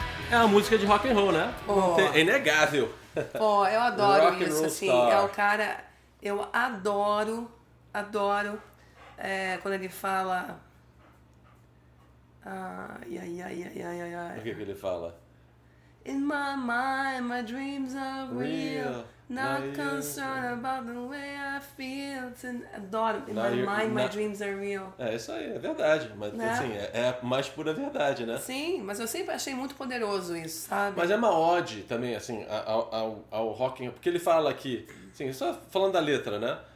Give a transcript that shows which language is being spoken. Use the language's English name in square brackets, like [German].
[Portuguese] É uma música de rock and roll, né? Oh. É inegável. Pô, oh, eu adoro isso, assim. Star. É o cara... Eu adoro, adoro quando ele fala... O que que ele fala? [English] In my mind, my dreams are real. Not concerned about the way I feel. [Portuguese] Adoro. [English] In my mind, my dreams are real. [Portuguese] É isso aí, é verdade. Mas né? Assim, é a mais pura verdade, né? Sim, mas eu sempre achei muito poderoso isso, sabe? Mas é uma ode também, assim, ao rock. Porque ele fala aqui, assim, só falando da letra, né?